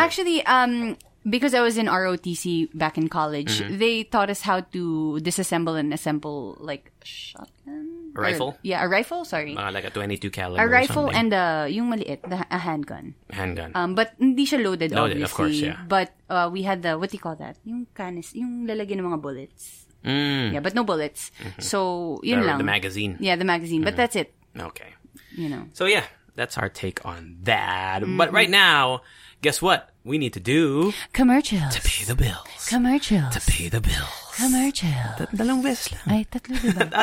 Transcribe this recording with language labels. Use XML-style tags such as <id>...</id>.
<en>Actually, because I was in ROTC back in college, they taught us how to disassemble and assemble, like, shotgun? A rifle? Or, yeah, a rifle, sorry. Like a .22 caliber A rifle or and a,</en> <tl>yung maliit,</tl> <en>the, a handgun. Handgun. But</en> <tl>hindi siya</tl> <en>loaded, loaded obviously. Of course, yeah. But we had the, what do you call that?</en> <tl>Yung canis, yung lalagyan ng mga bullets. Mm.</tl> <en>Yeah, but no bullets. Mm-hmm. So, yun the,</en> <tl>lang.</tl> <en>The magazine. Yeah, the magazine, but that's it. Okay. You know. So, yeah, that's our take on that. Mm-hmm. But right now, guess what? We need to do commercials to pay the bills. Commercials to pay the bills. Commercials.</en> <tl>Dalawang beses lang. Ay, tatlo ba?</tl>